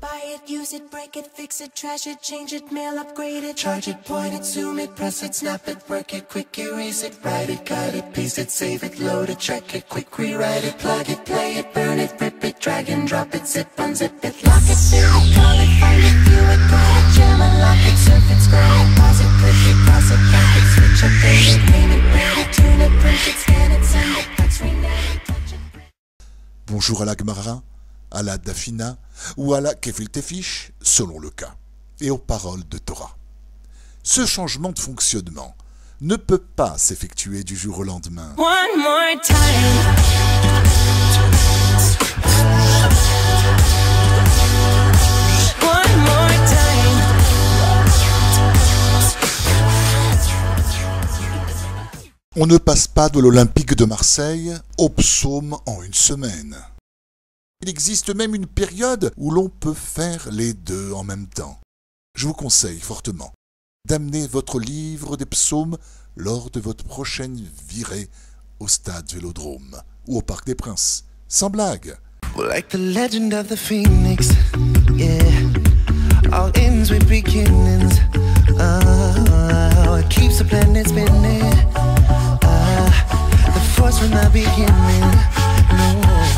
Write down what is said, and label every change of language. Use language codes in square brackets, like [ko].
[en] Buy it, use it, break it, fix it, trash it, change it, mail, upgrade it, charge it, point it, zoom it, press it, snap it, work it, quick erase it, write it, cut it, paste it, save it, load it, check it, quick rewrite it, plug it, play it, burn it, rip it, drag and drop it, zip, unzip it, lock it, fill it, call it, find it, view it, go it, jam and lock it, surf it, scroll it, pause it, click it, cross it, back it, switch it, fade it, name it, write it, tune it, print it, scan it, send it, touch, rename it. [fr] Bonjour à la Gemara, à la Dafina ou à la Kefiltefish, selon le cas, et aux paroles de Torah. Ce changement de fonctionnement ne peut pas s'effectuer du jour au lendemain. [en] One more time. One more time. [fr] On ne passe pas de l'Olympique de Marseille au psaume en une semaine. Il existe même une période où l'on peut faire les deux en même temps. je vous conseille fortement d'amener votre livre des psaumes lors de votre prochaine virée au stade Vélodrome ou au Parc des Princes. Sans blague. [en] Like the legend of the phoenix, yeah. All ends with beginnings. Oh, it keeps the planet spinning. The force from the beginning.